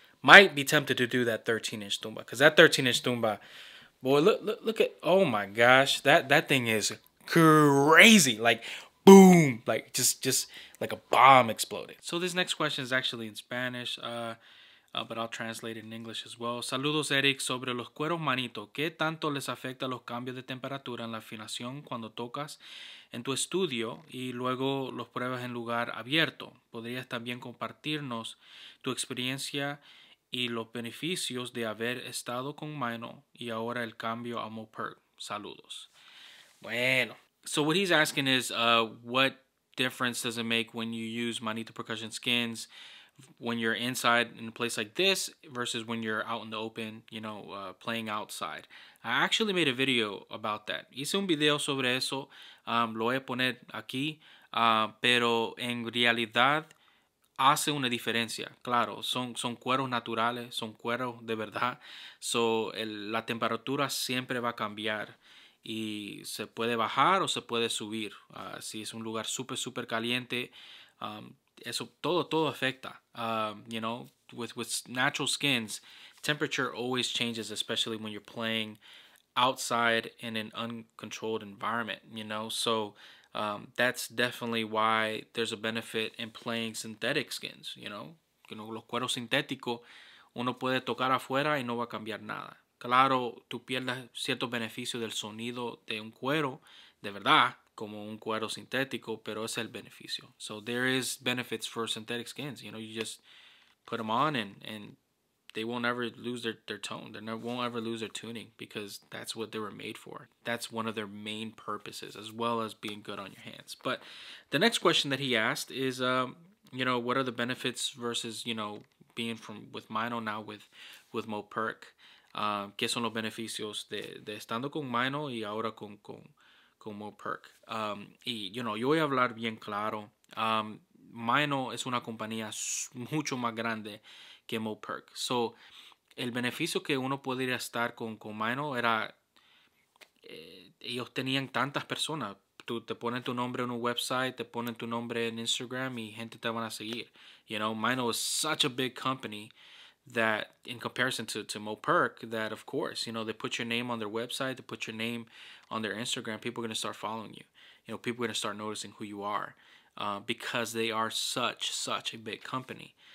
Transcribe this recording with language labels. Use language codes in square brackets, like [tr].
[en] Might be tempted to do that 13-inch tumba, because that 13-inch tumba, boy, look at, oh my gosh, that thing is crazy, like boom, like just like a bomb exploded. So this next question is actually in Spanish, but I'll translate it in English as well. [es] Saludos, Eric, sobre los cueros Manito. ¿Qué tanto les afecta los cambios de temperatura en la afinación cuando tocas en tu estudio y luego los pruebas en lugar abierto? ¿Podrías también compartirnos tu experiencia y los beneficios de haber estado con Meinl y ahora el cambio a Moperc? Saludos. Bueno. [en] So what he's asking is, what difference does it make when you use Manito Percussion skins when you're inside in a place like this versus when you're out in the open, you know, playing outside? I actually made a video about that. Hice un video sobre eso. [es] Lo voy a poner aquí. Pero en realidad hace una diferencia. Claro, son cueros naturales, son cueros de verdad. So, la temperatura siempre va a cambiar. Y se puede bajar o se puede subir. Si es un lugar súper, súper caliente, eso todo afecta. [en] You know, with natural skins, temperature always changes, especially when you're playing outside in an uncontrolled environment, you know. So, that's definitely why there's a benefit in playing synthetic skins, you know, los cueros sintéticos, uno puede tocar afuera y no va a cambiar nada. [es] Claro, tú pierdes cierto beneficio del sonido de un cuero, de verdad, como un cuero sintético, pero es el beneficio. [en] So there is benefits for synthetic skins, you know, you just put them on and they won't ever lose their tone. They won't ever lose their tuning because that's what they were made for. That's one of their main purposes, as well as being good on your hands. But the next question that he asked is, you know, what are the benefits versus, you know, being from with Meinl now with Moperc? [es] ¿Qué son los beneficios de estando con Meinl y ahora con Moperc? Y, you know, yo voy a hablar bien claro. Meinl es una compañía mucho más grande que Moperc. So, el beneficio que uno podría estar con Meinl era, ellos tenían tantas personas. Tú te pones tu nombre en un website, te pones tu nombre en Instagram y gente te van a seguir. [en] You know, Meinl is such a big company that in comparison to Moperk, that of course, you know, they put your name on their website, they put your name on their Instagram, people are going to start following you. You know, people are going to start noticing who you are because they are such a big company.